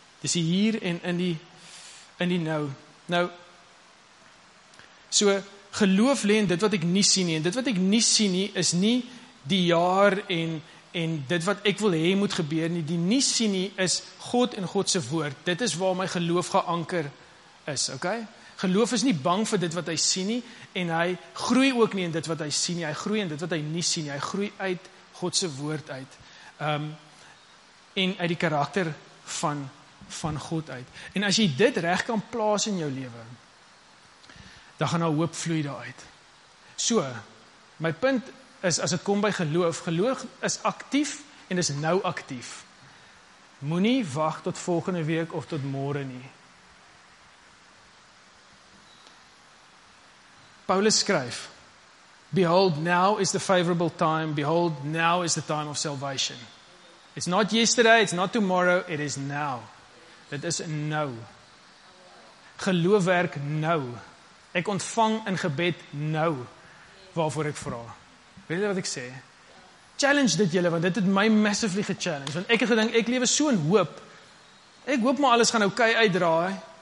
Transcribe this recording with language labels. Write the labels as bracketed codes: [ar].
[af] Dis hier en in die nou. Nou, so geloof lê in dit wat ek nie sien nie. En dit wat ek nie sien nie is nie die jaar en dit wat ek wil hê moet gebeur nie. Die nie sien nie is God en God se woord. Dit is waar my geloof geanker is, okay? Geloof is nie bang vir dit wat hy sien nie en hy groei ook nie in dit wat hy sien nie. Hy groei in dit wat hy nie sien nie. Hy groei uit God se woord uit. En uit die karakter van God uit. En as jy dit reg kan plaas in jou lewe, dan gaan daar hoop vloei daaruit. So, my punt is, as het kom by geloof, geloof is aktief en is nou aktief. Moenie wag tot volgende week of tot môre nie. Paulus skryf, [en] behold, now is the favorable time, behold, now is the time of salvation. It's not yesterday, it's not tomorrow, it is now. [af] Dit is nou. Geloof werk nou. Ek ontvang in gebed nou, waarvoor ek vra. Weet jy wat ek sê? Challenge dit julle, want dit het my massively gechallenged. Want ek het gedink, ek lewe so in hoop. Ek hoop maar alles gaan okay uitdraai.